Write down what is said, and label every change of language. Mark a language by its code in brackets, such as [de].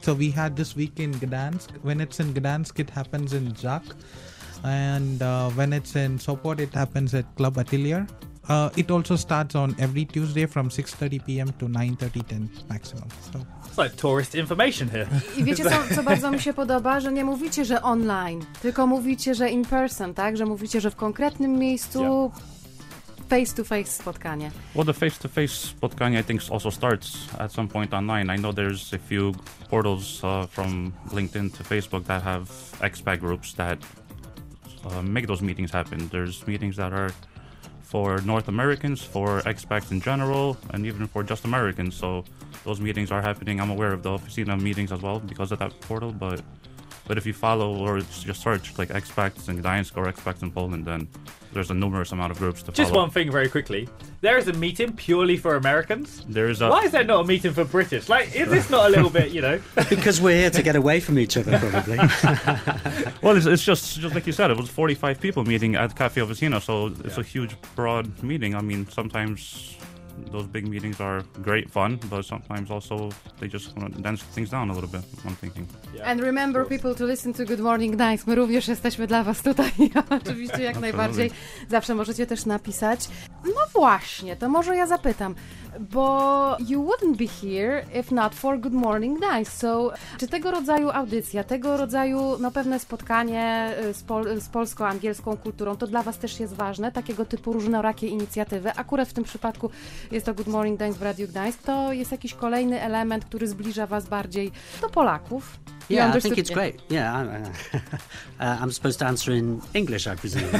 [en] So we had this week in Gdansk. When it's in Gdansk, it happens in Jack. And when it's in Sopot, it happens at Club Atelier. It also starts on every Tuesday from 6:30 p.m. to 9:30 maximum. So. It's like tourist information here. [pl] I wiecie, co bardzo mi się podoba, że nie mówicie, że online, tylko mówicie, że [en] in person, [pl] tak? Że mówicie, że w konkretnym miejscu, yeah. Face-to-face spotkanie. [en] Well, the face-to-face [pl] spotkanie, [en] I think, also starts at some point online. I know there's a few portals from LinkedIn to Facebook that have expat groups that make those meetings happen. There's meetings that are for North Americans, for expats in general, and even for just Americans. So those meetings are happening. I'm aware of the Officina meetings as well because of that portal. But if you follow or just search like expats in Gdańsk or expats in Poland, then there's a numerous amount of groups to follow. Just one thing very quickly. There is a meeting purely for Americans. Why is there not a meeting for British? Like, is this not a little bit, you know? Because we're here to get away from each other, probably. Well, it's just like you said, it was 45 people meeting at Cafe Officina. So it's a huge, broad meeting. I mean, sometimes those big meetings are great fun, but sometimes also they just want to dance things down a little bit, I'm thinking. Yeah. And remember, people, to listen to Good Morning Gdańsk. [pl] My również jesteśmy dla was tutaj. Oczywiście, jak najbardziej. Zawsze możecie też napisać. No właśnie, to może ja zapytam. Bo [en] you wouldn't be here if not for Good Morning Gdańsk. [pl] So, czy tego rodzaju audycja, tego rodzaju no, pewne spotkanie z polsko-angielską kulturą, to dla was też jest ważne? Takiego typu różnorakie inicjatywy. Akurat w tym przypadku jest to Good Morning Gdańsk w Radiu Gdańsk. To jest jakiś kolejny element, który zbliża was bardziej do Polaków. [en] Yeah, I think it's great. Yeah, I'm supposed to answer in English, I presume.